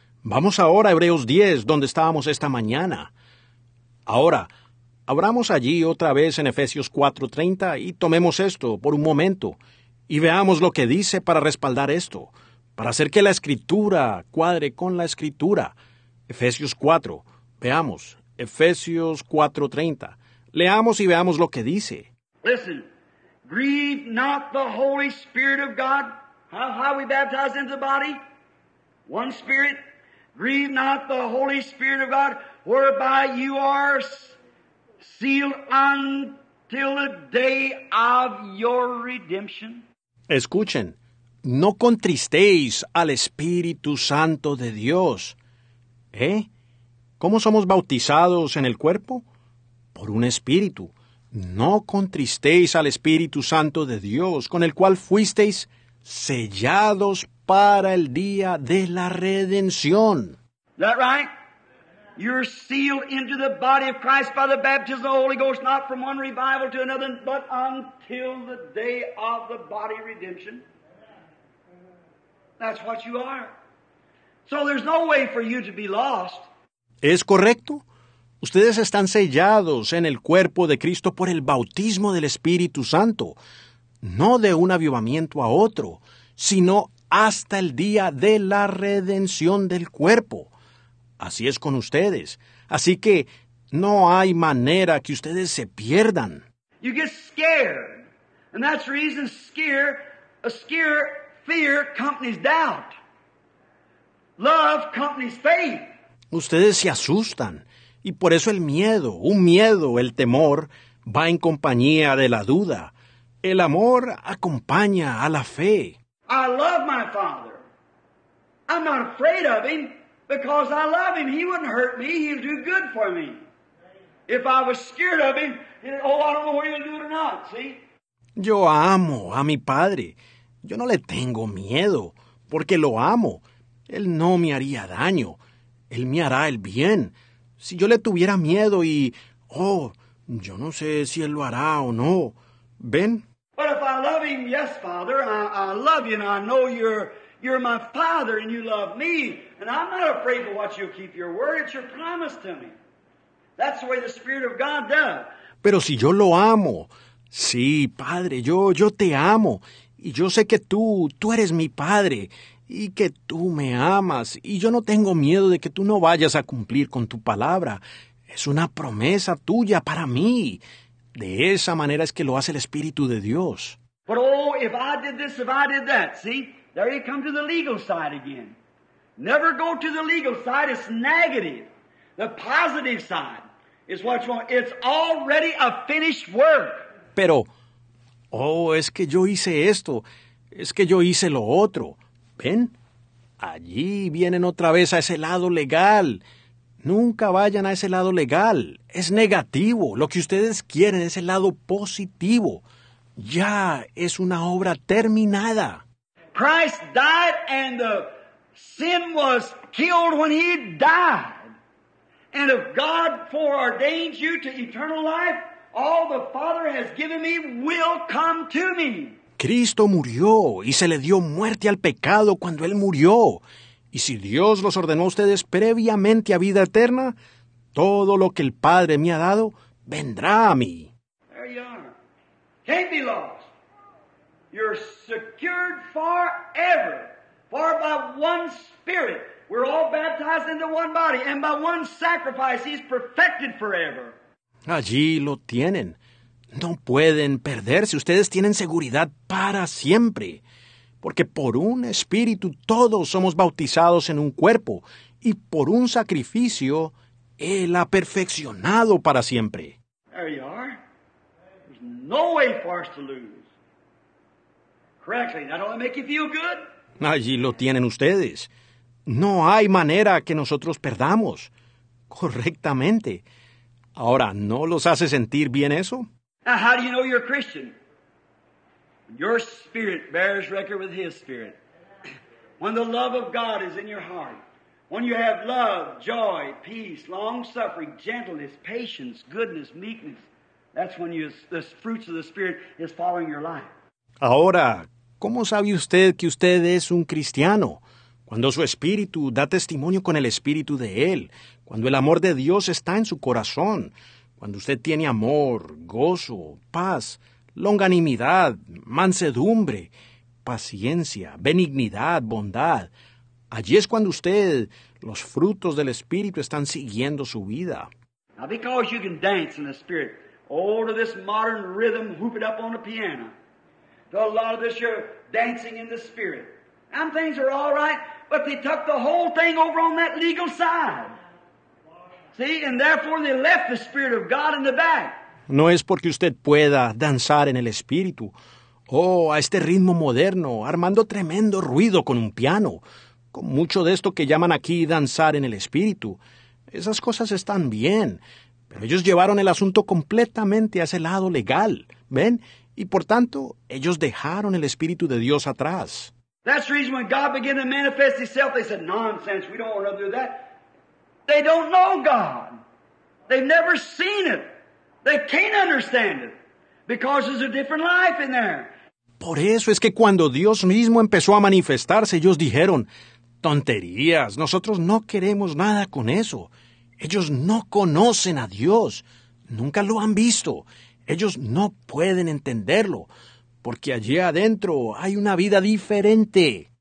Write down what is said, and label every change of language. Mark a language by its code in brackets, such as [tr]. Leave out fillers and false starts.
[es] Vamos ahora a Hebreos 10, donde estábamos esta mañana. Ahora, abramos allí otra vez en Efesios 4:30 y tomemos esto por un momento y veamos lo que dice para respaldar esto, para hacer que la Escritura cuadre con la Escritura. Efesios 4. Veamos. Efesios 4:30. Leamos y veamos lo que dice. [en] Listen. Grieve not the Holy Spirit of God. How we baptize into the body? One Spirit. Grieve not the Holy Spirit of God, whereby you are sealed until the day of your redemption. [es] Escuchen. No contristéis al Espíritu Santo de Dios. ¿Eh? ¿Cómo somos bautizados en el cuerpo? Por un Espíritu. No contristéis al Espíritu Santo de Dios, con el cual fuisteis sellados para el día de la redención. ¿Es eso correcto? [en] You're sealed into the body of Christ by the baptism of the Holy Ghost, not from one revival to another, but until the day of the body redemption. That's what you are. So there's no way for you to be lost. [es] ¿Es correcto? Ustedes están sellados en el cuerpo de Cristo por el bautismo del Espíritu Santo, no de un avivamiento a otro, sino hasta el día de la redención del cuerpo. Así es con ustedes. Así que no hay manera que ustedes se pierdan. [en] You get scared. And that's the reason scare, fear accompanies doubt. Love accompanies faith. [es] Ustedes se asustan. Y por eso el temor, va en compañía de la duda. El amor acompaña a la fe. [en] I love my father. I'm not afraid of him because I love him. He wouldn't hurt me. He'll do good for me. If I was scared of him, I don't know what he'll do or not, see? [es] Yo amo a mi padre. Yo no le tengo miedo porque lo amo. Él no me haría daño. Él me hará el bien. Si yo le tuviera miedo y, yo no sé si él lo hará o no. ¿Ven? [en] But if I love him, yes, Father, I love you, and I know you're my Father, and you love me, and I'm not afraid of what you keep your word. It's your promise to me. That's the way the Spirit of God does. [es] Pero si yo lo amo, sí, Padre, yo te amo, y yo sé que tú eres mi Padre, y que tú me amas, y yo no tengo miedo de que tú no vayas a cumplir con tu palabra. Es una promesa tuya para mí. De esa manera es que lo hace el Espíritu de Dios. [en] But if I did this, if I did that, see, there you come to the legal side again. Never go to the legal side, it's negative. The positive side is what you want. It's already a finished work. [es] Pero, es que yo hice esto, es que yo hice lo otro. ¿Ven? Allí vienen otra vez a ese lado legal. Nunca vayan a ese lado legal. Es negativo. Lo que ustedes quieren es el lado positivo. Ya es una obra terminada. [en] Christ died and the sin was killed when he died. And if God foreordains you to eternal life, all the Father has given me will come to me. [es] Cristo murió y se le dio muerte al pecado cuando él murió. Y si Dios los ordenó a ustedes previamente a vida eterna, todo lo que el Padre me ha dado vendrá a mí. [en] There you are. Can't be lost. You're secured forever. For by one Spirit, we're all baptized into one body. And by one sacrifice, he's perfected forever. [es] Allí lo tienen. No pueden perderse. Ustedes tienen seguridad para siempre. Porque por un espíritu todos somos bautizados en un cuerpo, y por un sacrificio, Él ha perfeccionado para siempre. [en] There you are. There's no way for us to lose. Correctly, that'll make you feel good. [es] Allí lo tienen ustedes. No hay manera que nosotros perdamos. Correctamente. Ahora, ¿no los hace sentir bien eso? [en] Now, how do you know you're a Christian? Your spirit bears record with his spirit. When the love of God is in your heart, when you have love, joy, peace, long-suffering, gentleness, patience, goodness, meekness, that's when the fruits of the Spirit is following your life. [es] Ahora, ¿cómo sabe usted que usted es un cristiano? Cuando su espíritu da testimonio con el espíritu de él, cuando el amor de Dios está en su corazón, cuando usted tiene amor, gozo, paz, longanimidad, mansedumbre, paciencia, benignidad, bondad, Allí es cuando usted, los frutos del Espíritu, están siguiendo su vida. [en] Now because you can dance in the Spirit, all of this modern rhythm, whoop it up on the piano. A lot of this you're dancing in the Spirit. And things are all right, but they took the whole thing over on that legal side. See, and therefore they left the Spirit of God in the back. [es] No es porque usted pueda danzar en el Espíritu. Oh, a este ritmo moderno, armando tremendo ruido con un piano. Con mucho de esto que llaman aquí danzar en el Espíritu. Esas cosas están bien, pero ellos llevaron el asunto completamente a ese lado legal, ¿ven? Y por tanto, ellos dejaron el Espíritu de Dios atrás. [en] That's the reason when God began to manifest Himself, they said, nonsense, we don't want to do that. They don't know God. They've never seen it. They can't understand it. Because there's a different life in there. [es] Por eso es que cuando Dios mismo empezó a manifestarse, ellos dijeron, tonterías, nosotros no queremos nada con eso. Ellos no conocen a Dios. Nunca lo han visto. Ellos no pueden entenderlo. Porque allí adentro hay una vida diferente.